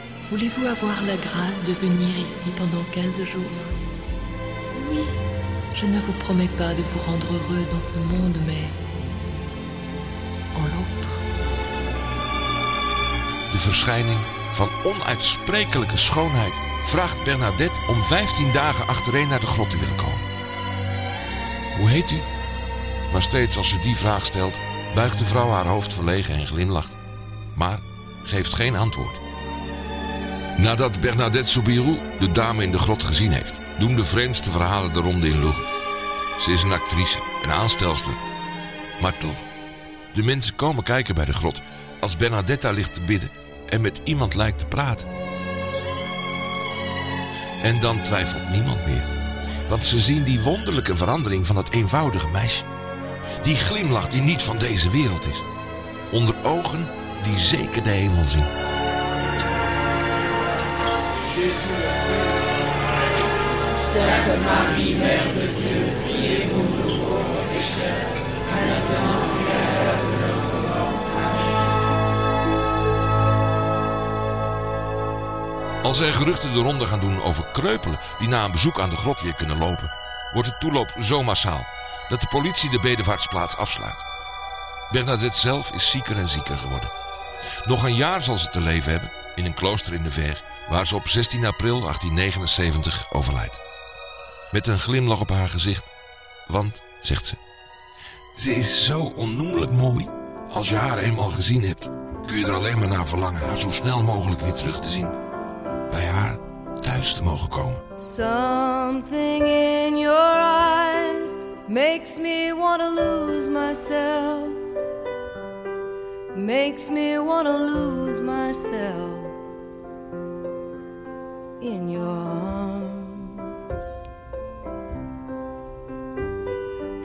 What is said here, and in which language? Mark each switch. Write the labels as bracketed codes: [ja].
[fr] Voulez-vous avoir la grâce de venir ici pendant 15 jours? Oui. Je ne vous promets pas de vous rendre heureuse en ce monde, mais en l'autre. [nl] De verschijning van onuitsprekelijke schoonheid vraagt Bernadette om 15 dagen achtereen naar de grot te willen komen. Hoe heet u? Maar steeds als ze die vraag stelt, buigt de vrouw haar hoofd verlegen en glimlacht, maar geeft geen antwoord. Nadat Bernadette Soubirous de dame in de grot gezien heeft, doen de vreemdste verhalen de ronde in Lourdes. Ze is een actrice, een aanstelster. Maar toch, de mensen komen kijken bij de grot als Bernadette daar ligt te bidden en met iemand lijkt te praten. En dan twijfelt niemand meer, want ze zien die wonderlijke verandering van het eenvoudige meisje. Die glimlach die niet van deze wereld is. Onder ogen die zeker de hemel zien. [fr] Sainte Marie, Mère de Dieu, priez pour nous pauvres pécheurs, maintenant et à l'heure de notre mort. [nl] Als er geruchten de ronde gaan doen over kreupelen die na een bezoek aan de grot weer kunnen lopen, wordt de toeloop zo massaal dat de politie de bedevaartsplaats afsluit. Bernadette zelf is zieker en zieker geworden. Nog een jaar zal ze te leven hebben in een klooster in de Ver, waar ze op 16 april 1879 overlijdt. Met een glimlach op haar gezicht. Want, zegt ze, ze is zo onnoemelijk mooi. Als je haar eenmaal gezien hebt, kun je er alleen maar naar verlangen haar zo snel mogelijk weer terug te zien. Bij haar thuis te mogen komen. [en] Something in your eyes makes me want to lose myself. Makes me want to lose myself in your arms.